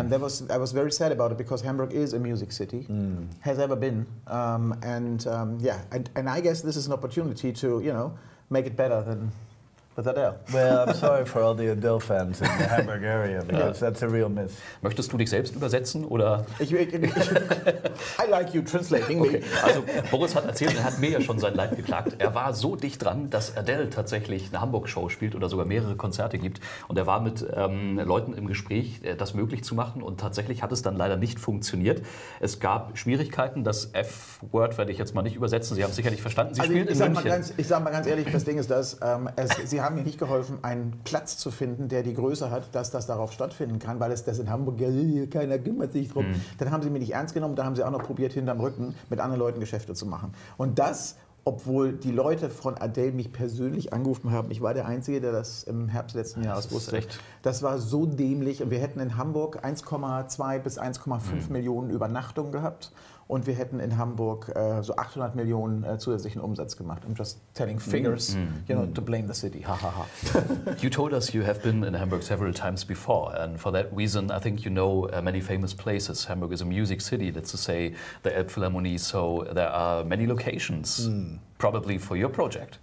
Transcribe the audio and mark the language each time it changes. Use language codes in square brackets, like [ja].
[en] And I was very sad about it because Hamburg is a music city, has ever been. And I guess this is an opportunity to, you know, make it better than with Adele. Well, I'm sorry for all the Adele fans in the Hamburg area, because that's a real miss. [de] Möchtest du dich selbst übersetzen, oder? [en] I like you translating me. Okay. [de] Also, Boris hat erzählt, er hat mir ja schon sein Leid geklagt. Er war so dicht dran, dass Adele tatsächlich eine Hamburg-Show spielt oder sogar mehrere Konzerte gibt. Und er war mit Leuten im Gespräch, das möglich zu machen. Und tatsächlich hat es dann leider nicht funktioniert. Es gab Schwierigkeiten. Das F-Word werde ich jetzt mal nicht übersetzen. Sie haben es sicherlich verstanden. Sie spielt in München. Ich sage mal ganz ehrlich, das Ding ist das, Sie haben mir nicht geholfen, einen Platz zu finden, der die Größe hat, dass das darauf stattfinden kann, weil es das in Hamburg, keiner kümmert sich drum. Hm. Dann haben sie mich nicht ernst genommen, da haben sie auch noch probiert, hinterm Rücken mit anderen Leuten Geschäfte zu machen. Und das, obwohl die Leute von Adele mich persönlich angerufen haben, ich war der Einzige, der das im Herbst letzten Jahres wusste. Recht. Das war so dämlich. Wir hätten in Hamburg 1,2 bis 1,5 Millionen Übernachtungen gehabt. Und wir hätten in Hamburg so 800 Millionen zusätzlichen Umsatz gemacht. [en] I'm just telling figures, you know, to blame the city. Ha, ha, ha. You told us you have been in Hamburg several times before. And for that reason, I think you know many famous places. Hamburg is a music city, let's say the Elbphilharmonie. So there are many locations, probably for your project.